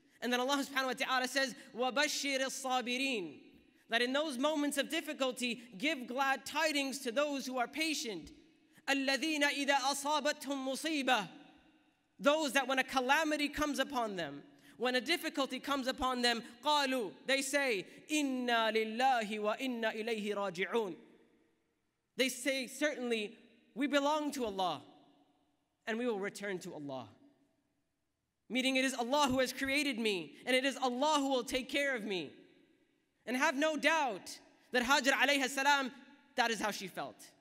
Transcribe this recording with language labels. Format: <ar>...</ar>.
<en>And then Allah subhanahu wa ta'ala says,</en> <ar>وَبَشِّرِ الصَّابِرِينَ.</ar> <en>That in those moments of difficulty, give glad tidings to those who are patient.</en> <ar>الَّذِينَ إِذَا أَصَابَتْهُمْ مُصِيبَةً.</ar> <en>Those that when a calamity comes upon them, when a difficulty comes upon them,</en> <ar>قَالُوا.</ar> <en>They say,</en> <ar>إِنَّا لِلَّهِ وَإِنَّا إِلَيْهِ رَاجِعُونَ.</ar> <en>They say, certainly, we belong to Allah. And we will return to Allah. Meaning it is Allah who has created me, and it is Allah who will take care of me. And have no doubt that Hajar alayhi salam, that is how she felt.</en>